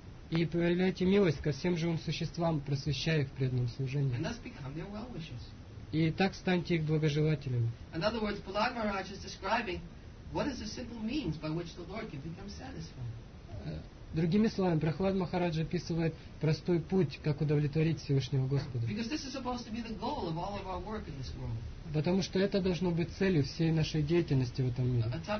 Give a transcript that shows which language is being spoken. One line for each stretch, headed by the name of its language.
Russian: И проявляйте милость ко всем живым существам, просвещая их в преданном служении.
English: And thus become their well-wishers.
Russian: И так станьте их благожелателями.
English: In other words, Prahlada Maharaj is describing what is the simple means by which the Lord can become satisfied.
Russian: Другими словами, Прохлад Махарадж описывает простой путь, как удовлетворить Всевышнего Господа.
English: Because this is supposed to be the goal of all of our work in this world.
Russian: Потому что это должно быть целью всей нашей деятельности в этом мире.